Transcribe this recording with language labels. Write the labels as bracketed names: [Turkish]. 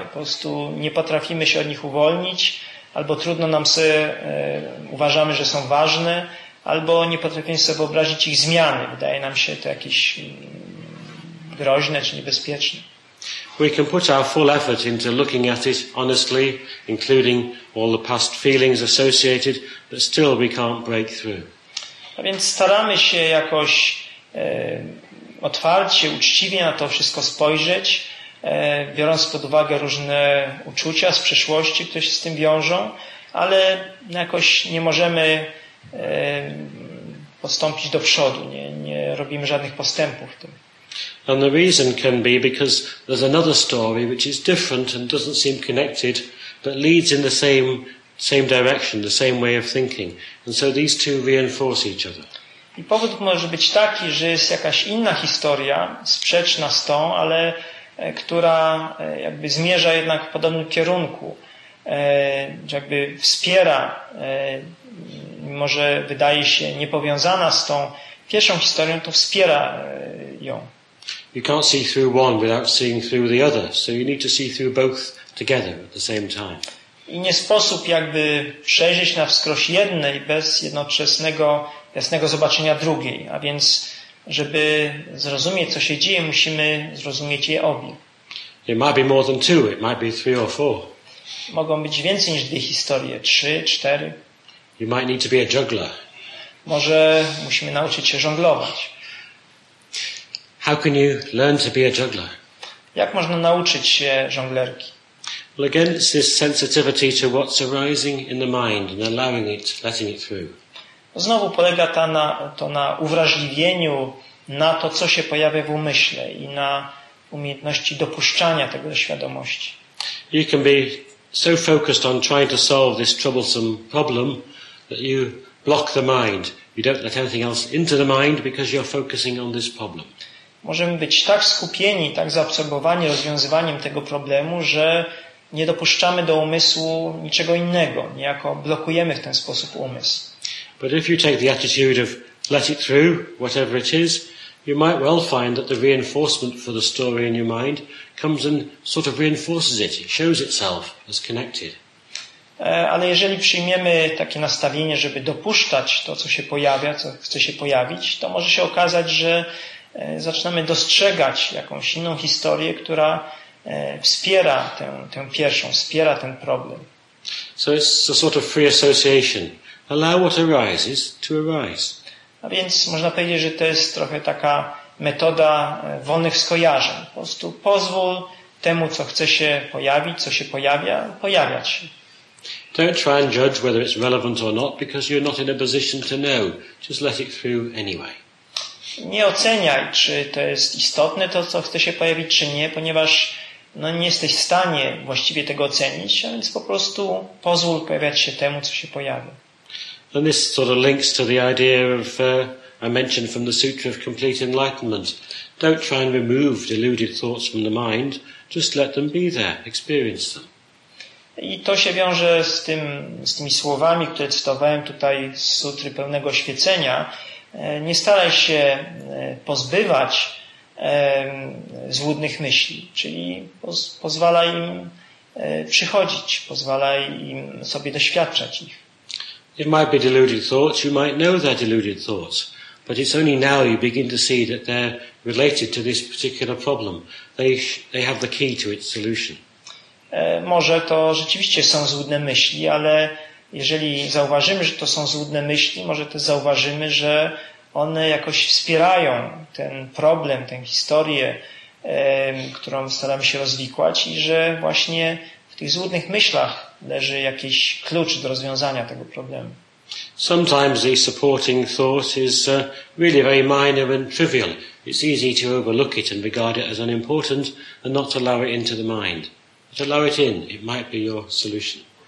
[Polish] Po prostu nie potrafimy się od nich uwolnić, albo trudno nam sobie, uważamy, że są ważne, albo nie potrafimy sobie wyobrazić ich zmiany. Wydaje nam się to jakieś groźne czy niebezpieczne. [English] We can put our full effort into looking at it honestly, including all the past feelings associated, but still we can't break through. [Polish] A więc staramy się jakoś otwarcie, uczciwie na to wszystko spojrzeć, biorąc pod uwagę różne uczucia z przeszłości, które się z tym wiążą, ale jakoś nie możemy postąpić do przodu, nie robimy żadnych postępów w tym. [English] And the reason can be because there's another story which is different and doesn't seem connected, but leads in the same direction, the same way of thinking. And so these two reinforce each other. [Polish] I powód może być taki, że jest jakaś inna historia, sprzeczna z tą, ale która jakby zmierza jednak w podobnym kierunku, jakby wspiera, może wydaje się niepowiązana z tą pierwszą historią, to wspiera ją. [English] You can't see through one without seeing through the other, so you need to see through both together at the same time. [Polish] I nie sposób jakby przejrzeć na wskroś jednej bez jednoczesnego, jasnego zobaczenia drugiej, a więc żeby zrozumieć, co się dzieje, musimy zrozumieć je obie. [English] It might be more than two, it might be three or four. [Polish] Mogą być więcej niż dwie historie, trzy, cztery. [English] You might need to be a juggler. [Polish] Może musimy nauczyć się żonglować. [English] How can you learn to be a juggler? [Polish] Jak można nauczyć się żonglerki? [English] Well, again, it's this sensitivity to what's arising in the mind and allowing it, letting it through. [Polish] Znowu polega to na uwrażliwieniu na to, co się pojawia w umyśle i na umiejętności dopuszczania tego do świadomości. [English] You can be so focused on trying to solve this troublesome problem that you block the mind. You don't let anything else into the mind because you're focusing on this problem. [Polish] Możemy być tak skupieni, tak zaabsorbowani rozwiązywaniem tego problemu, że nie dopuszczamy do umysłu niczego innego. Niejako blokujemy w ten sposób umysł. [English] But if you take the attitude of let it through, whatever it is, you might well find that the reinforcement for the story in your mind comes and sort of reinforces it. It shows itself as connected. [Polish] Ale jeżeli przyjmiemy takie nastawienie, żeby dopuszczać to, co się pojawia, co chce się pojawić, to może się okazać, że zaczynamy dostrzegać jakąś inną historię, która wspiera tę pierwszą, wspiera ten problem. [English] So it's a sort of free association. Allow what arises to arise. [Polish] A więc można powiedzieć, że to jest trochę taka metoda wolnych skojarzeń. Po prostu pozwól temu, co chce się pojawić, co się pojawia, pojawiać się. [English] Don't try and judge whether it's relevant or not, because you're not in a position to know. Just let it through anyway. [Polish] Nie oceniaj, czy to jest istotne, to, co chce się pojawić, czy nie, ponieważ no, nie jesteś w stanie właściwie tego ocenić, a więc po prostu pozwól pojawiać się temu, co się pojawia. [English] And this sort of links to the idea of I mentioned from the Sutra of Complete Enlightenment. Don't try and remove deluded thoughts from the mind. Just let them be there. Experience them. [Polish] I to się wiąże z tymi słowami, które cytowałem tutaj z Sutry Pełnego Oświecenia. Nie staraj się pozbywać złudnych myśli, czyli pozwalaj im przychodzić, pozwalaj im sobie doświadczać ich. [English] It might be deluded thoughts, you might know they're deluded thoughts, but it's only now you begin to see that they're related to this particular problem. They have the key to its solution. [Polish] Może to rzeczywiście są złudne myśli, ale jeżeli zauważymy, że to są złudne myśli, może też zauważymy, że one jakoś wspierają ten problem, tę historię, którą staramy się rozwikłać i że właśnie w tych złudnych myślach leży jakiś klucz do rozwiązania tego problemu. [English] Sometimes the supporting thought is really very minor and trivial. It's easy to overlook it and regard it as unimportant and not allow it into the mind. But allow it in, it might be your solution.